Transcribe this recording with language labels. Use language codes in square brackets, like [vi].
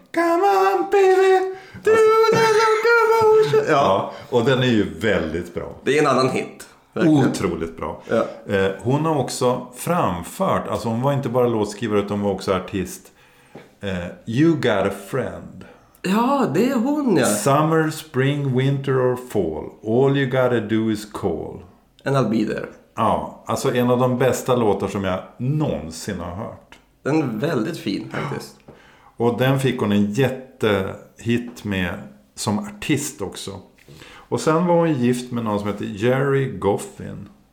[en] Come on baby, do the locomotion. [sv] Ja. Ja, och den är ju väldigt bra. Det är en annan hit. Otroligt bra. Ja. Hon har också framfört, alltså hon var inte bara låtskrivare utan var också artist. [en] You Got a Friend. [sv] Ja, det är hon, ja. [en] Summer, spring, winter or fall, all you gotta do is call. And I'll be there. [sv] Ja, alltså en av de bästa låtar som jag någonsin har hört. Den är väldigt fin faktiskt. Och den fick hon en jättehit med som artist också. Och sen var hon gift med någon som heter Jerry Goffin.